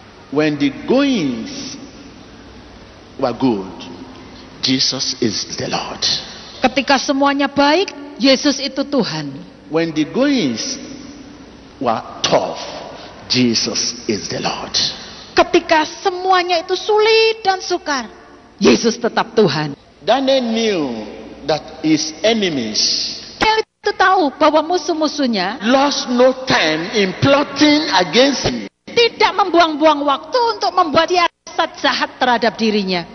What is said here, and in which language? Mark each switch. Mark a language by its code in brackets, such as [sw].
[en] When the goings were good, Jesus is the Lord. [id] Ketika semuanya baik, Yesus itu Tuhan. [en] When the goings were tough, Jesus is the Lord. [id] Ketika semuanya itu sulit dan sukar, Yesus tetap Tuhan. [en] Daniel knew that his enemies. [id] Daniel itu tahu bahwa musuh-musuhnya [en] lost no time in plotting against him. [id] Tidak membuang-buang waktu untuk membuat jasad jahat terhadap dirinya.